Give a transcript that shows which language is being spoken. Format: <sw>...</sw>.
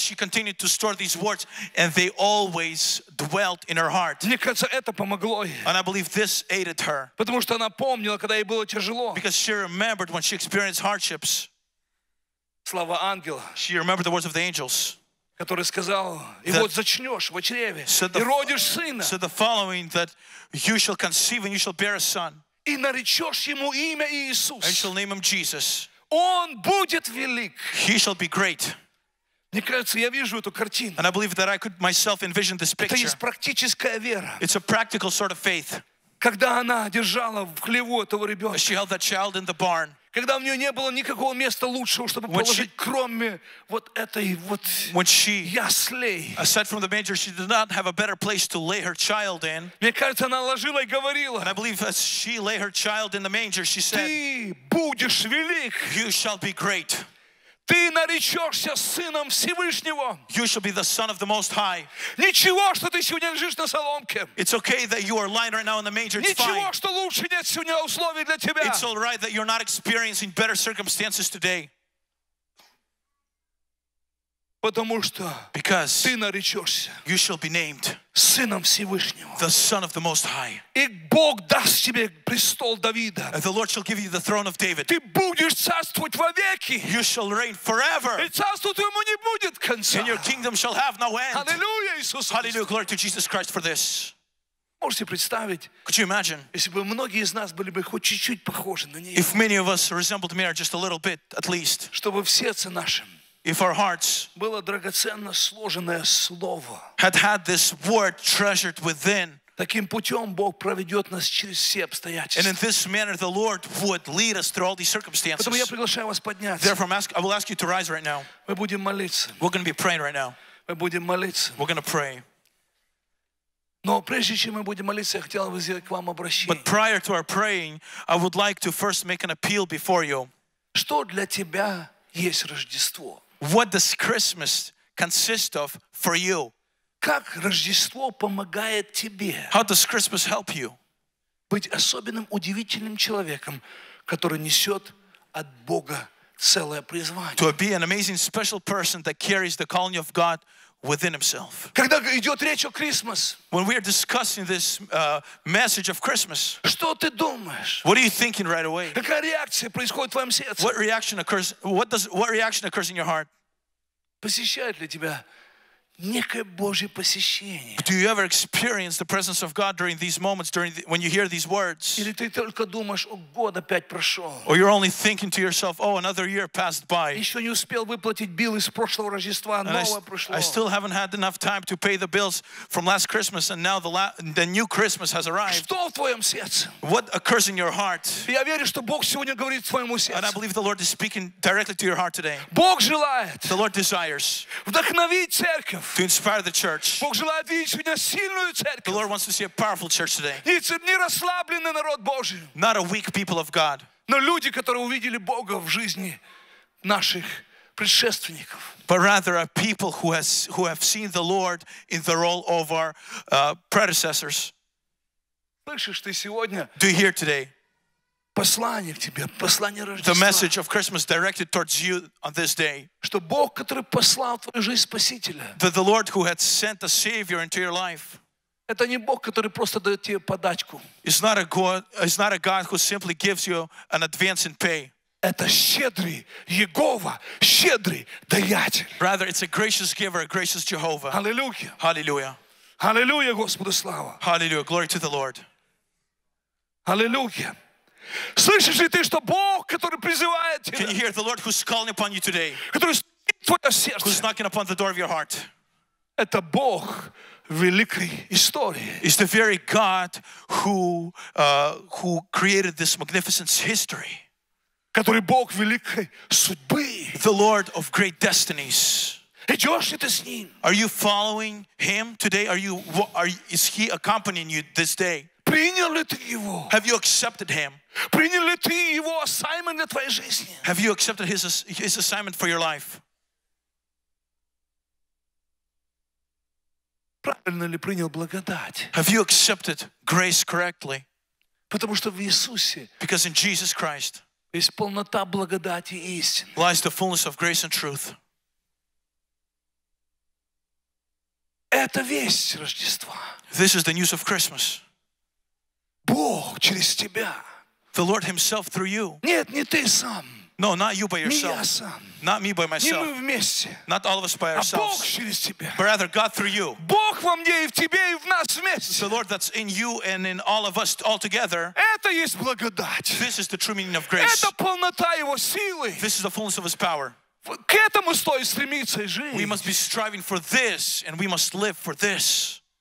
<en>She continued to store these words, and they always dwelt in her heart.</en> <ru>Мне кажется, это помогло ей.</ru> <en>And I believe this aided her.</en> <ru>Потому что она помнила, когда ей было тяжело.</ru> <en>Because she remembered when she experienced hardships.</en> <ru>Слава ангела.</ru> <en>She remembered the words of the angels.</en> <ru>Который сказал, и вот зачнешь в чреве, и родишь сына.</ru> <en>Said the following, that you shall conceive and you shall bear a son.</en> <ru>И наречешь ему имя Иисус.</ru> <en>And shall name him Jesus.</en> <ru>Он будет велик.</ru> <en>He shall be great.</en> <ru>Мне кажется, я вижу эту картину.</ru> <en>And I believe that I could myself envision this picture.</en> <ru>Это есть практическая вера.</ru> <en>It's a practical sort of faith.</en> <ru>Когда она держала в хлеву этого ребенка.</ru> <en>She held that child in the barn.</en> <ru>Когда у нее не было никакого места лучшего, чтобы</ru> <en>when</en> <ru>положить,</ru> <en>she,</en> <ru>кроме вот этой вот яслей.</ru> <en>Aside from the manger, she did not have a better place to lay her child in.</en> <ru>Мне кажется, она ложила и говорила.</ru> <en>And I believe as she lay her child in the manger, she said,</en> <ru>ты будешь велик.</ru> <en>You shall be great.</en> <ru>Ты наречешься сыном Всевышнего.</ru> <en>You shall be the son of the Most High.</en> <ru>Ничего, что ты сегодня лежишь на соломке.</ru> <en>It's okay that you are lying right now in the manger. It's</en> <ru>ничего,</ru> <en>fine.</en> <ru>Что лучше нет сегодня условий для тебя.</ru> <en>It's all right that you're not experiencing better circumstances today.</en> <ru>Потому что</ru> <en>because</en> <ru>ты наречешься.</ru> <en>You shall be named</en> <ru>сыном Всевышнего.</ru> <en>The son of the Most High.</en> <ru>И Бог даст тебе престол Давида.</ru> <en>And the Lord shall give you the throne of David.</en> <ru>Ты будешь царствовать вовеки.</ru> <en>You shall reign forever.</en> <ru>И царству твоему не будет конца.</ru> <en>And your kingdom shall have no end.</en> <ru>Аллилуйя, Иисус.</ru> <en>Hallelujah, glory to Jesus Christ for this.</en> <ru>Можете представить?</ru> <en>Could you imagine?</en> <ru>Если бы многие из нас были бы хоть чуть-чуть похожи на нее.</ru> <en>If many of us resembled Mary just a little bit, at least.</en> <ru>Чтобы в сердце нашем.</ru> <en>If our hearts</en> <ru>было драгоценно сложенное слово,</ru> <en>had this word treasured within,</en> <ru>таким путем Бог проведет нас через все обстоятельства.</ru> <en>And in this manner the Lord would lead us through all these circumstances.</en> <ru>Поэтому я приглашаю вас подняться.</ru> <en>Therefore, I will ask you to rise right now.</en> <ru>Мы будем молиться.</ru> <en>We're going to be praying right now.</en> <ru>Мы будем молиться.</ru> <en>We're going to pray.</en> <ru>Но прежде чем мы будем молиться, я хотел бы сделать к вам обращение.</ru> <en>But prior to our praying, I would like to first make an appeal before you.</en> <ru>Что для тебя есть Рождество?</ru> <en>What does Christmas consist of for you?</en> <ru>Как Рождество помогает тебе?</ru> <en>How does Christmas help you?</en> <ru>Быть особенным, удивительным человеком, который несет от Бога целое призвание.</ru> <en>To be an amazing, special person that carries the calling of God within himself.</en> <ru>Когда идет речь о Christmas,</ru> <en>when we are discussing this message of Christmas,</en> <ru>что ты думаешь?</ru> <en>What are you thinking right away?</en> <ru>Какая реакция происходит в твоем сердце?</ru> <en>What reaction occurs? What reaction occurs in your heart?</en> <ru>Посещает ли тебя некое Божье посещение.</ru> <en>Do you ever experience the presence of God during these moments, during the, when you hear these words?</en> <ru>Или ты только думаешь, о, год опять прошел.</ru> <en>Or you're only thinking to yourself, oh, another year passed by.</en> <ru>Еще не успел выплатить бил из прошлого Рождества, новое прошло.</ru> <en>I still haven't had enough time to pay the bills from last Christmas, and now the new Christmas has arrived.</en> <ru>Что в твоем сердце?</ru> <en>What occurs in your heart?</en> <ru>Я верю, что Бог сегодня говорит твоему сердцу.</ru> <en>And I believe the Lord is speaking directly to your heart today.</en> <ru>Бог желает.</ru> <en>The Lord desires.</en> <ru>Вдохновить церковь.</ru> <en>To inspire the church.</en> <ru>Бог желает видеть сегодня сильную церковь.</ru> <en>The Lord wants to see a powerful church today.</en> <ru>Не расслабленный народ Божий.</ru> <en>Not a weak people of God.</en> <ru>Но люди, которые увидели Бога в жизни наших предшественников.</ru> <en>But rather a people who have seen the Lord in the role of our predecessors.</en> <ru>Слышишь ты сегодня?</ru> <en>Do you hear today?</en> <ru>Послание к тебе, послание Рождества.</ru> <en>The message of Christmas directed towards you on this day.</en> <ru>Что Бог, который послал твою жизнь спасителя.</ru> <en>That the Lord who had sent a Savior into your life.</en> <ru>Это не Бог, который просто дает тебе подачку.</ru> <en>It's not a God who simply gives you an advance in pay.</en> <ru>Это щедрый Иегова, щедрый даятель.</ru> <en>Rather, it's a gracious giver, a gracious Jehovah. Hallelujah. Hallelujah.</en> <ru>Hallelujah, Господу слава.</ru> <en>Hallelujah, glory to the Lord. Hallelujah.</en> <ru>Слышишь ли ты, что Бог, который призывает тебя?</ru> <en>Can you hear the Lord who's calling upon you today?</en> <ru>Который стучит в твое сердце?</ru> <en>Who's knocking upon the door of your heart?</en> <ru>Это Бог великой истории.</ru> <en>It's the very God who created this magnificent history.</en> <ru>Который Бог великой судьбы.</ru> <en>The Lord of great destinies.</en> <ru>Идешь ли ты с ним?</ru> <en>Are you following him today? Is he accompanying you this day?</en> <ru>Принял ли ты его?</ru> <en>Have you accepted him?</en> <ru>Принял ли ты его</ru> <en>assignment</en> <ru>для твоей жизни?</ru> <en>Have you accepted his assignment for your life?</en> <ru>Правильно ли принял благодать?</ru> <en>Have you accepted grace correctly?</en> <ru>Потому что в Иисусе.</ru> <en>Because in Jesus Christ.</en> <ru>Есть полнота благодати и истины.</ru> <en>Lies the fullness of grace and truth.</en> <ru>Это весть Рождества.</ru> <en>This is the news of Christmas.</en> <ru>Бог через тебя.</ru> <en>The Lord Himself through you.</en> <ru>Нет, не ты сам.</ru> <en>No, not you by yourself.</en> <ru>Не я сам.</ru> <en>Not me by myself.</en> <ru>Не мы вместе.</ru> <en>Not all of us by ourselves.</en> <ru>А Бог через тебя.</ru> <en>But rather God through you.</en> <ru>Бог во мне и в тебе и в нас вместе.</ru> <en>The Lord that's in you and in all of us all together.</en> <ru>Это есть благодать.</ru> <en>This is the true meaning of grace.</en> <ru>Это полнота Его силы.</ru> <en>This is the fullness of His power.</en> <ru>К этому стоит стремиться и жить.</ru> <en>We must be striving for this and we must live for this.</en>